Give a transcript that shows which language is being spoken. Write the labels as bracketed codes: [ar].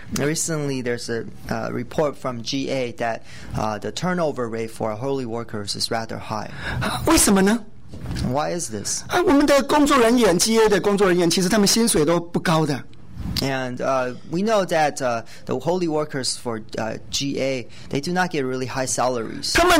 [en] Recently there's a report from GA that the turnover rate for holy workers is rather high. [zh] 为什么呢？ [en] Why is this? [zh] 我们的工作人员 GA的工作人员 其实他们薪水都不高的。 [en] And we know that the holy workers for GA, they do not get really high salaries.